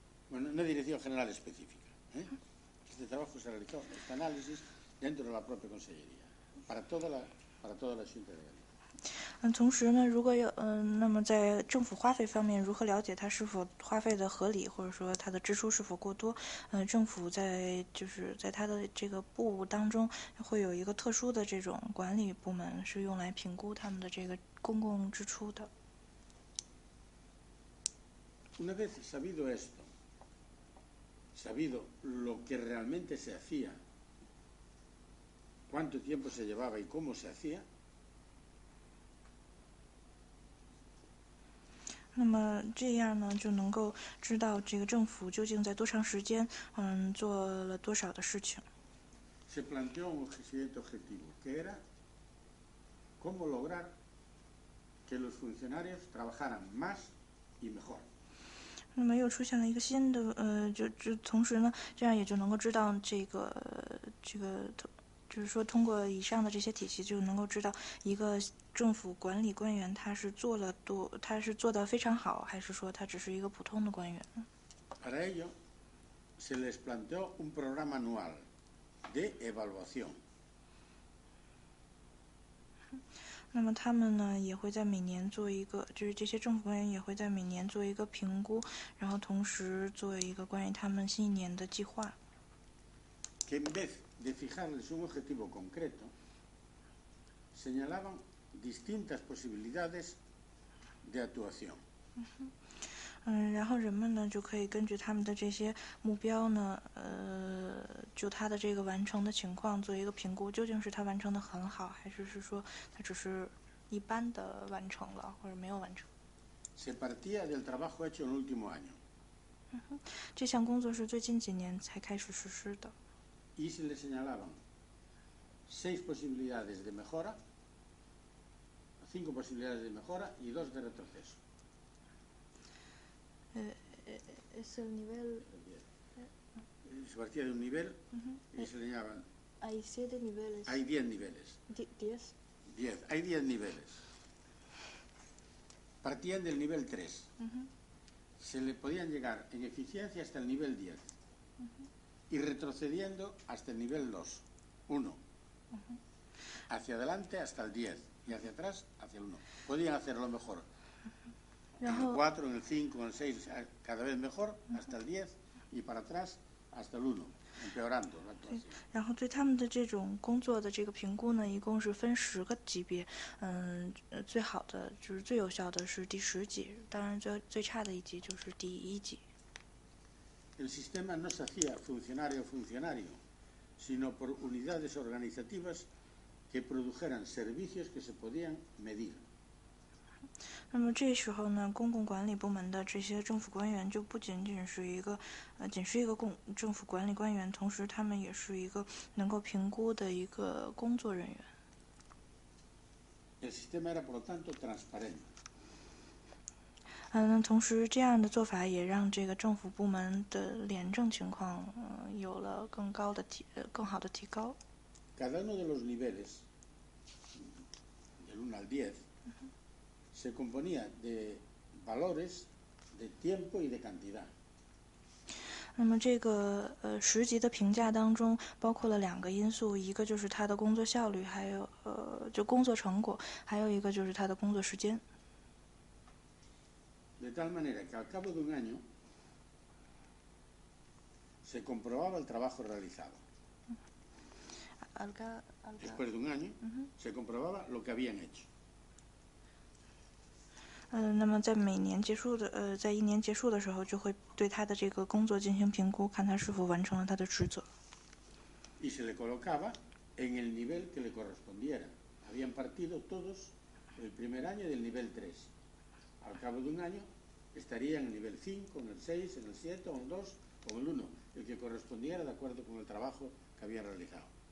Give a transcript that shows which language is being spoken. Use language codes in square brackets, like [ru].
[es] Bueno, una dirección general específica. ¿Eh? Este trabajo se realizó, este análisis, dentro de la propia consellería, para toda la Junta de Galicia. [zh] 同时呢，如果有那么在政府花费方面，如何了解它是否花费的合理，或者说它的支出是否过多？政府在就是在它的这个部当中会有一个特殊的这种管理部门，是用来评估他们的这个公共支出的。 [es] Una vez sabido esto, sabido lo que realmente se hacía, cuánto tiempo se llevaba y cómo se hacía. [zh] 那么这样呢，就能够知道这个政府究竟在多长时间，做了多少的事情。 [es] Se planteó un siguiente objetivo, que era cómo lograr que los funcionarios trabajaran más y mejor. [zh] 那么又出现了一个新的，就同时呢，这样也就能够知道就是说通过以上的这些体系，就能够知道一个政府管理官员他是做得非常好，还是说他只是一个普通的官员。 [es] Para ello, se les planteó un programa anual de evaluación. [zh] 那么他们呢，也会在每年做一个，就是这些政府官员也会在每年做一个评估，然后同时做一个关于他们新一年的计划。 [es] Que en vez de fijarles un objetivo concreto, señalaban distintas posibilidades de actuación. [zh] 然后人们呢就可以根据他们的这些目标呢，就他的这个完成的情况做一个评估，究竟是他完成的很好，还是说他只是一般的完成了，或者没有完成。 [es] Se partía del trabajo hecho en el último año. [zh] 这项工作是最近几年才开始实施的。 [es] Y se le señalaban seis posibilidades de mejora, cinco posibilidades de mejora y dos de retroceso. Es el nivel. Se partía de un nivel y se le señalaban. Hay siete niveles. Hay diez niveles. Diez. Hay diez niveles. Partían del nivel tres. Se le podían llegar en eficiencia hasta el nivel diez. Y retrocediendo hasta el nivel 2, 1. Hacia adelante hasta el 10 y hacia atrás hacia el 1. Podían hacerlo mejor. En el 4, en el 5, en el 6, cada vez mejor, hasta el 10 y para atrás hasta el 1. [zh] 对，然后对他们的这种工作的这个评估呢，一共是分十个级别，最好的就是最有效的是第十级，当然最差的一级就是第一级。 [es] El sistema no se hacía funcionario a funcionario, sino por unidades organizativas que produjeran servicios que se podían medir. [zh] 那么这时候呢，公共管理部门的这些政府官员就不仅仅是一个，仅是一个政府管理官员，同时他们也是一个能够评估的一个工作人员。 [es] El sistema era, por lo tanto, transparente. [zh] 同时这样的做法也让这个政府部门的廉政情况，有了更高的更好的提高。 [es] Cada uno de los niveles, del 1 al 10, se componía de valores, de tiempo y de cantidad. [zh] 那么这个十级的评价当中包括了两个因素，一个就是他的工作效率，还有就工作成果，还有一个就是他的工作时间。 [es] De tal manera que al cabo de un año se comprobaba el trabajo realizado. Después de un año se comprobaba lo que habían hecho. [zh] 那么在每年结束的在一年结束的时候，就会对他的这个工作进行评估，看他是否完成了他的职责。 [es] Y se le colocaba en el nivel que le correspondiera. Habían partido todos el primer año del nivel 3. Al cabo de un año estaría en el nivel 5, en el 6, en el 7, en el 2 o en el 1, el que correspondiera de acuerdo con el trabajo que había realizado.